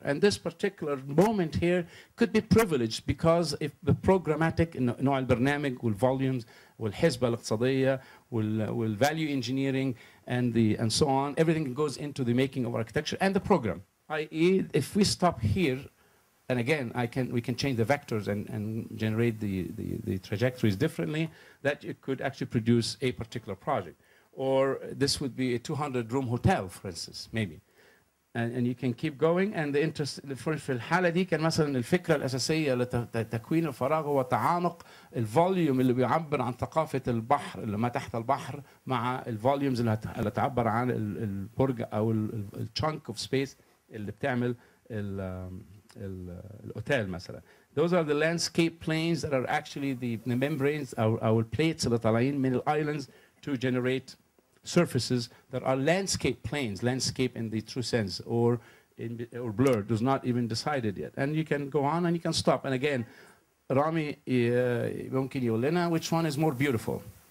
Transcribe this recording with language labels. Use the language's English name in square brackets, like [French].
[English] And this particular moment here could be privileged, because if the programmatic, [Arabic] نوع البرنامج والvolumes والحسبة الاقتصادية [English] والvalue engineering and so on, everything goes into the making of architecture and the program. I.e., if we stop here, and again, we can change the vectors and generate the trajectories differently, that it could actually produce a particular project. Or this would be a 200-room hotel, for instance, maybe. And you can keep going, and the interest, for [Arabic] الحالة دي كان مثلا الفكرة الأساسية لتكوين الفراغ هو تعانق الفوليوم اللي بيعبر عن ثقافة البحر اللي ما تحت البحر مع الفوليومز اللي تعبر عن البرج أو الشنك of space اللي بتعمل الأوتيل مثلا. [English] Those are the landscape planes that are actually the membranes, our plates, the islands, to generate surfaces that are landscape planes, landscape in the true sense, or blurred, does not even decided yet. And you can go on and you can stop. And again, Rami, which one is more beautiful?